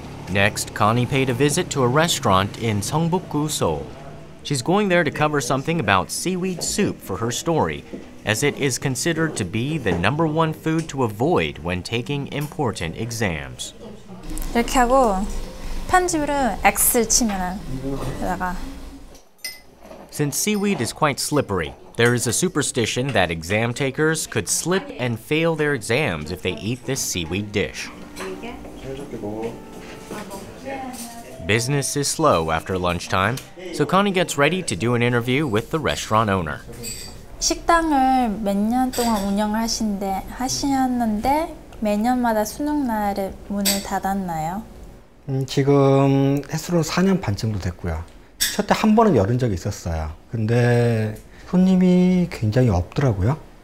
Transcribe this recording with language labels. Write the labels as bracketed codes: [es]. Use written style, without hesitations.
[en] Next, Connie paid a visit to a restaurant in Seongbuk-gu, Seoul. She's going there to cover something about seaweed soup for her story, as it is considered to be the number one food to avoid when taking important exams. [ko] 이렇게 하고 편집으로 X를 치면은 여기다가. [en] Since seaweed is quite slippery, there is a superstition that exam takers could slip and fail their exams if they eat this seaweed dish. Business is slow after lunchtime, so Connie gets ready to do an interview with the restaurant owner. [ko] 식당을 몇 년 동안 운영을 하셨는데 매년마다 수능 날에 문을 닫았나요? 지금 횟수로 4년 반 정도 됐고요. 첫때 한 번은 열은 적이 있었어요. 근데 손님이 굉장히 없더라고요.